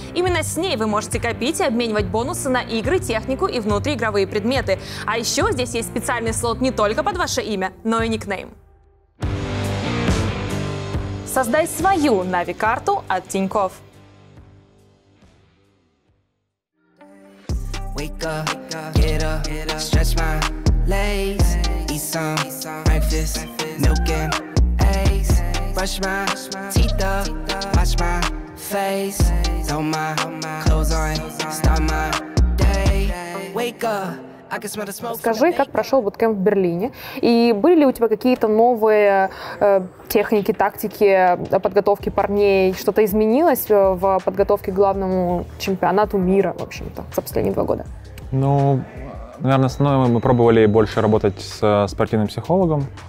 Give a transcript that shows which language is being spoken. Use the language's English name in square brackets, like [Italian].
[Russian] Именно с ней вы можете копить и обменивать бонусы на игры, технику и внутриигровые предметы. А еще здесь есть специальный слот не только под ваше имя, но и никнейм. Создай свою Нави-карту от Тинькофф. [English] Wake up, get up, stretch my legs. Eat some breakfast, milk and eggs. Brush my teeth up, wash my face. Throw my clothes on, start my day. Wake up. [Russian] Скажи, как прошел буткемп в Берлине? И были ли у тебя какие-то новые техники, тактики подготовки парней? Что-то изменилось в подготовке к главному чемпионату мира, в общем-то, за последние два года? Ну, наверное, основное мы пробовали больше работать с спортивным психологом.